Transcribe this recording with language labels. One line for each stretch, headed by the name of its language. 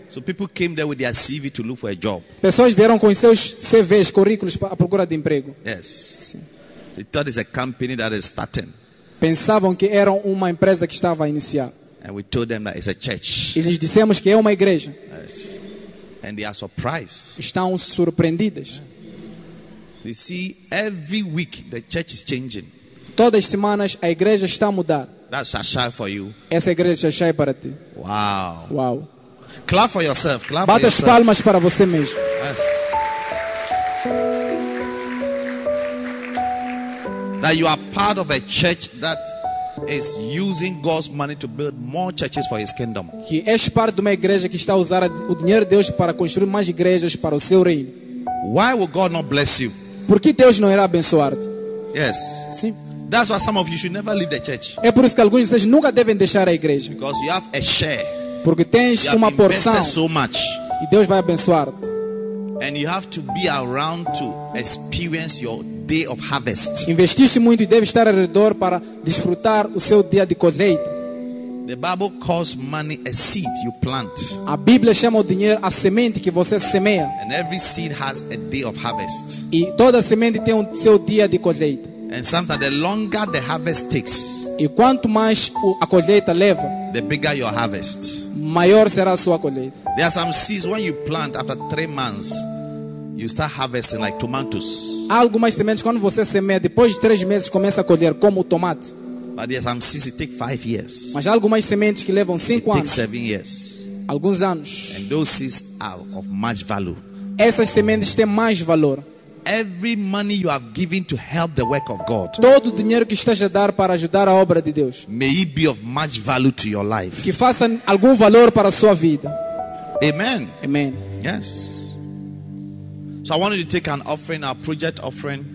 English: So people came there with their CV to look for a job.
Portuguese: Pessoas vieram com seus CVs, currículos à procura de emprego.
English: Yes.
Portuguese: Sim.
English: They thought it's a company that is starting.
Portuguese: Pensavam que era uma empresa que estava a iniciar.
English: And we told them that it's a church.
Portuguese: E lhes dissemos que é uma igreja.
English: Yes. And they are surprised.
Portuguese: Estão surpreendidas.
English: They see every week the church is changing.
Portuguese: Todas as semanas a igreja está a mudar.
English: That's Shashai for you.
Portuguese: Essa igreja Shashai para ti.
English: Wow.
Portuguese: Wow.
English: Clap for yourself. Clap
Portuguese: Bata
English: for yourself.
Portuguese: Bata as palmas para você mesmo.
English: Yes. That you are part of a church that is using God's money to build more churches for His kingdom.
Portuguese: Que és parte de uma igreja que está a usar o dinheiro de Deus para construir mais igrejas para o seu reino.
English: Why will God not bless you?
Portuguese: Por que Deus não irá abençoar-te?
English: Yes.
Portuguese: Sim.
English: That's why some of you should never leave the church.
Portuguese: É por isso que alguns de vocês nunca devem deixar a igreja.
English: Because you have a share.
Portuguese: Porque tens
English: you
Portuguese: uma
English: have
Portuguese: porção.
English: Invested so much.
Portuguese: E Deus vai abençoar-te.
English: And you have to be around to experience your day of harvest.
Portuguese: Investiste muito e deve estar ao redor para desfrutar o seu dia de colheita.
English: The Bible calls money a seed you plant.
Portuguese: A Bíblia chama o dinheiro a semente que você semeia.
English: And every seed has a day of harvest.
Portuguese: E toda semente tem o seu dia de colheita.
English: And sometimes the longer the harvest takes,
Portuguese: e quanto mais a colheita leva,
English: the bigger your harvest.
Portuguese: Maior será a sua colheita.
English: There are some seeds when you plant after 3 months, you start harvesting like tomatoes.
Portuguese: Há algumas sementes quando você semeia depois de 3 meses começa a colher como o tomate.
English: But there are some seeds that take 5 years.
Portuguese: Mas há algumas sementes que levam 5 anos.
English: Take 7 years.
Portuguese: Alguns anos.
English: And those seeds are of much value.
Portuguese: Essas sementes têm mais valor.
English: Every money you have given to help the work of God.
Portuguese: Todo o dinheiro que estás a dar para ajudar a obra de Deus.
English: May it be of much value to your life.
Portuguese: Que faça algum valor para a sua vida.
English: Amen.
Portuguese: Amen.
English: Yes. So I want you to take an offering, our project offering.